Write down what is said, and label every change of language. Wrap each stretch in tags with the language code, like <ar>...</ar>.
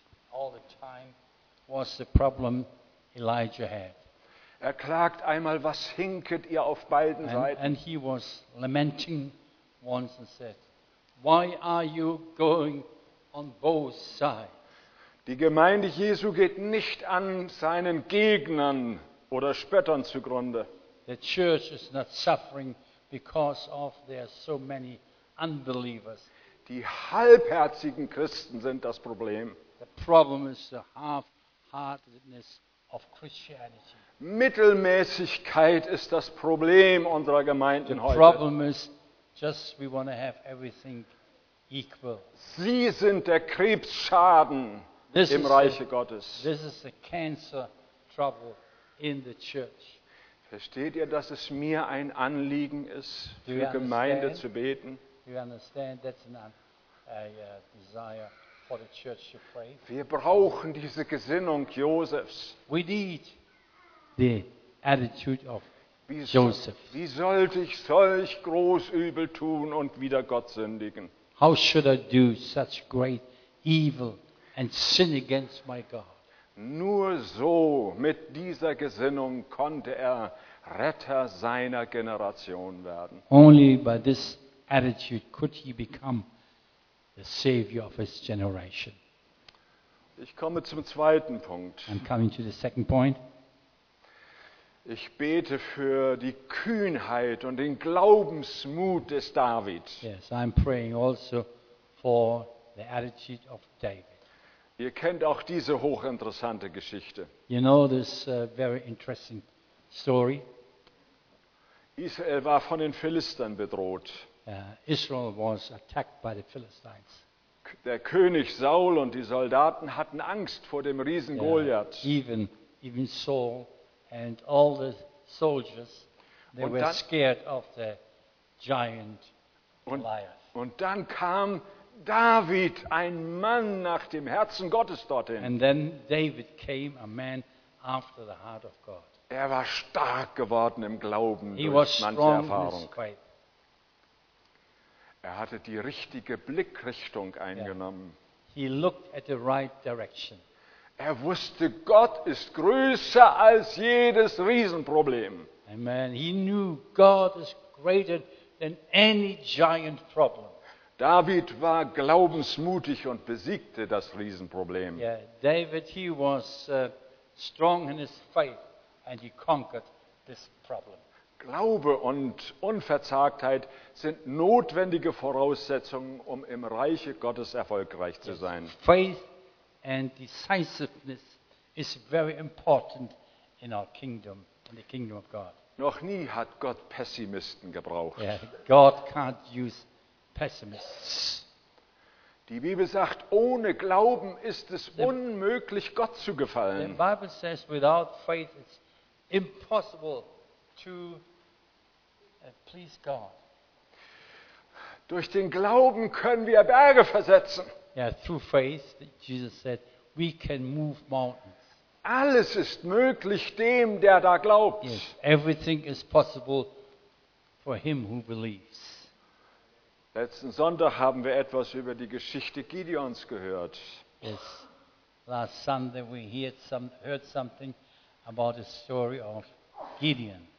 <en>all the time was the problem Elijah had.</en> <de>Er klagt einmal, was hinket ihr auf beiden Seiten?</de> <en>And he was lamenting once and said, why are you going on both sides?</en> <de>Die Gemeinde Jesu geht nicht an seinen Gegnern oder Spöttern zugrunde.</de> <en>The church is not suffering because of their so many unbelievers.</en> <de>Die halbherzigen Christen sind das Problem.</de> <en>The problem is the half-heartedness of Christianity.</en> <de>Mittelmäßigkeit ist das Problem unserer Gemeinden heute.</de> <en>The problem is just we want to have everything equal.</en> <de>Sie sind der Krebsschaden im Reiche Gottes.</de> <en>This is the cancer trouble in the church.</en> <de>Versteht ihr, dass es mir ein Anliegen ist, für Gemeinde zu beten?</de> <en>Do you understand that's a desire for the church to pray?</en> <de>Wir brauchen diese Gesinnung Josefs.</de> <en>We need the attitude of Joseph.</en> <de>Wie sollte ich solch groß Übel tun und wieder Gott sündigen?</de> <en>How should I do such great evil and sin against my God?</en> <de>Nur so mit dieser Gesinnung konnte er Retter seiner Generation werden.</de> <en>Only by this attitude could he become the savior of his generation.</en> <de>Ich komme zum zweiten Punkt.</de> <en>I'm coming to the second point.</en> <de>Ich bete für die Kühnheit und den Glaubensmut des David.</de> <en>Yes, I'm praying also for the attitude of David.</en> <de>Ihr kennt auch diese hochinteressante Geschichte.</de> <en>You know this very interesting story.</en> <de>Israel war von den Philistern bedroht.</de> <en>Israel was attacked by the Philistines.</en> <de>Der König Saul und die Soldaten hatten Angst vor dem Riesen Goliath.</de> <en>Even Saul and all the soldiers, they</en> <de>und</de> <en>were</en> <de>dann,</de> <en>scared of the giant Goliath.</en> <de>Und dann kam David, ein Mann nach dem Herzen Gottes dorthin.</de> <en>And then David came, a man after the heart of God.</en> <de>Er war stark geworden im Glauben</de> <en>he</en> <de>durch manche Erfahrung.</de> <en>Quite...</en> <de>Er hatte die richtige Blickrichtung eingenommen.</de> <en>Yeah. He looked at the right direction.</en> <de>Er wusste, Gott ist größer als jedes Riesenproblem.</de> <en>Amen. He knew God is greater than any giant problem.</en> <de>David war glaubensmutig und besiegte das Riesenproblem.</de> <en>Yeah, David, he was strong in his faith and he conquered this problem.</en> <de>Glaube und Unverzagtheit sind notwendige Voraussetzungen, um im Reiche Gottes erfolgreich zu sein.</de> <en>Faith and decisiveness is very important in our kingdom, in the kingdom of God.</en> <de>Noch nie hat Gott Pessimisten gebraucht.</de> <en>Yeah, God can't use Pessimists.</en> <de>Die Bibel sagt, ohne Glauben ist es unmöglich, Gott zu gefallen.</de> <en>The Bible says, without faith it's impossible to please God.</en> <de>Durch den Glauben können wir Berge versetzen.</de> <en>Yeah, through faith, Jesus said, we can move mountains.</en> <de>Alles ist möglich dem, der da glaubt.</de> <en>Yes, everything is possible for him who believes.</en> <de>Letzten Sonntag haben wir etwas über die Geschichte Gideons gehört.</de> <en>Yes, last Sunday we heard something about the story of Gideon.</en>